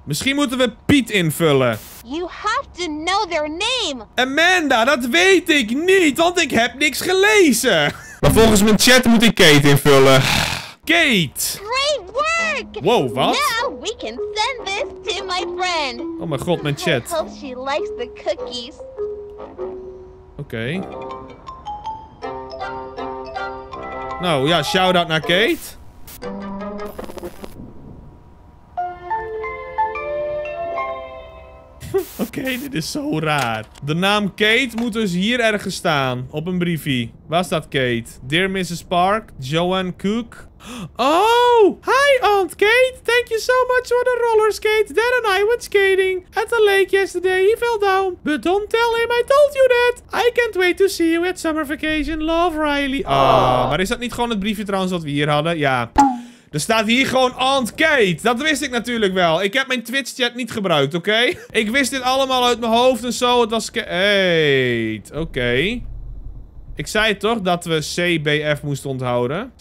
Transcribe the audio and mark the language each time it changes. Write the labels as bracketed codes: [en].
[nl] Misschien moeten we Piet invullen. [en] You have to know their name. [nl] Amanda, dat weet ik niet, want ik heb niks gelezen. Maar volgens mijn chat moet ik Kate invullen. Kate! [en] Great work! [nl] Wow, wat? [en] Now we can send this to my friend. [nl] Oh mijn god, mijn chat. [en] I hope she likes the cookies. Okay. [nl] Nou ja, shout-out naar Kate. Okay, dit is zo raar. De naam Kate moet dus hier ergens staan. Op een briefie. Waar staat Kate? Dear Mrs. Park, Joanne Cook. Oh! [en] Hi, Aunt Kate! Thank you so much for the roller skate. Dad and I went skating at the lake yesterday. He fell down. But don't tell him I told you that. I can't wait to see you at summer vacation. Love, Riley. [nl] Oh, maar is dat niet gewoon het briefje trouwens wat we hier hadden? Ja. Er staat hier gewoon Aunt Kate. Dat wist ik natuurlijk wel. Ik heb mijn Twitch chat niet gebruikt, oké? Okay? Ik wist dit allemaal uit mijn hoofd en zo. Het was Kate. Oké. Okay. Ik zei toch dat we C, B, F moesten onthouden.